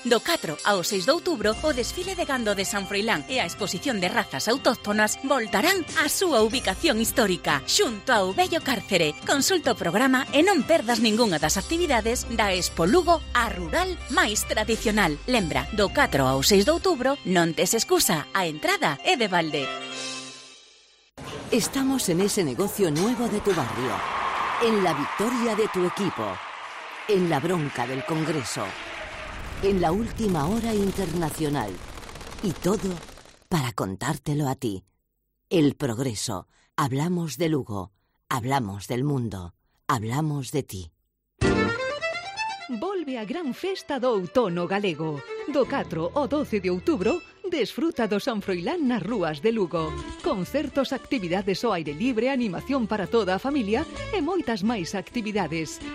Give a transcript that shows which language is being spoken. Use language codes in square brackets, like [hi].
[gl] Do 4 ao 6 de outubro, o desfile de gando de San Froilán e a exposición de razas autóctonas voltarán á súa ubicación histórica, xunto ao vello cárcere. Consulta o programa e non perdas ningunha das actividades da Expo Lugo a rural máis tradicional. Lembra, do 4 ao 6 de outubro, non tes excusa, a entrada é de balde. [es] Estamos en ese negocio nuevo de tu barrio, en la victoria de tu equipo, en la bronca del Congreso, en la última hora internacional, y todo para contártelo a ti. El Progreso. Hablamos de Lugo, hablamos del mundo, hablamos de ti. [gl] Volve a gran festa do outono galego. Do 4 ao 12 de outubro, desfruta do San Froilán nas rúas de Lugo. Concertos, actividades ao aire libre, animación para toda a familia e moitas máis actividades.